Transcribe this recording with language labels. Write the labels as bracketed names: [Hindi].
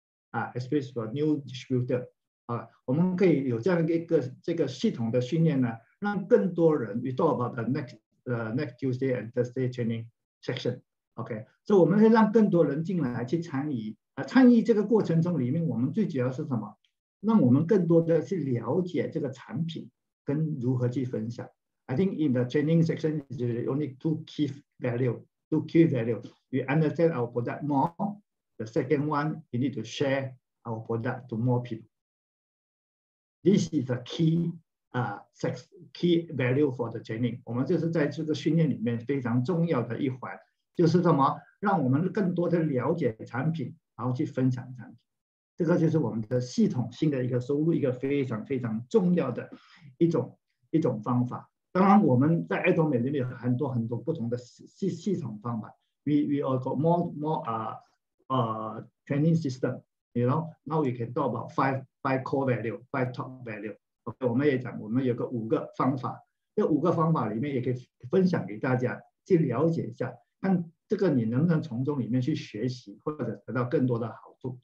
[Chinese] 啊、 especially for new distributor、啊、我们可以有这样一个这个系统的训练呢，让更多人 We talk about the next Tuesday and Thursday training section OK，所以我们会让更多人进来去参与参与这个过程中里面，我们最主要是什么？让我们更多的去了解这个产品跟如何去分享。 [English] I think in the training section is only two key value, two key value. You understand our product more. The second one, you need to share our product to more people. This is a key value for the training. [Chinese] 我们就是在这个训练里面非常重要的一环，就是什么？让我们更多的了解产品。然后去分享产品，这个就是我们的系统性的一个收入，一个非常非常重要的一种方法。当然我们在爱多美里面有很多很多不同的系统方法， we all got training system, you know, now we can talk about five core value, five top value, okay, 我们也讲我们有个五个方法，这五个方法里面也可以分享给大家去了解一下，看这个你能不能从中里面去学习或者得到更多的好处。